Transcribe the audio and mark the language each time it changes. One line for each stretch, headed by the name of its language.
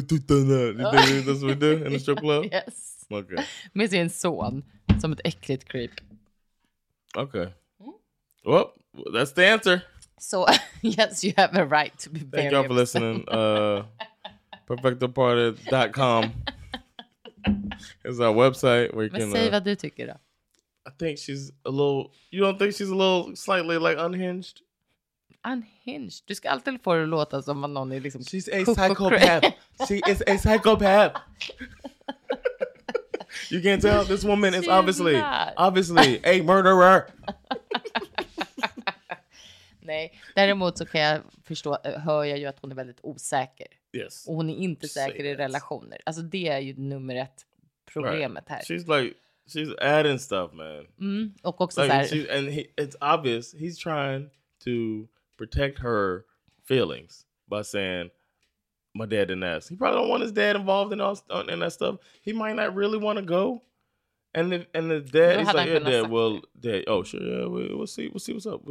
English: That's what we do in the strip club? Yes. Okay.
Swedish: Med sin son som ett äckligt creep.
English: Okay. Well, that's the answer. So, yes, you have a right to be very upset. Thank y'all for listening. PerfectoParty.com. It's our website where you
Swedish: men
English: can say
Swedish: vad du tycker då.
English: I think she's a little, you don't think she's a little slightly like unhinged? Unhinged.
Swedish: Du ska alltid få det låta som att någon är liksom.
English: She's a psychopath. She is a psychopath. You can't tell this woman she is obviously not. Obviously a murderer.
Swedish: Nej, däremot så kan jag förstå, hör jag ju att hon är väldigt osäker.
English: Yes.
Swedish: Och hon är inte säker i relationer. Alltså det är ju nummer ett problemet right. Här.
English: She's like, she's adding stuff, man.
Swedish: Mm, och också like, så här.
English: And it's obvious, he's trying to protect her feelings by saying, my dad didn't ask. He probably don't want his dad involved in that stuff. He might not really want to go. And the dad is like, yeah, dad, well, dad, oh, sure, yeah, we'll see what's up.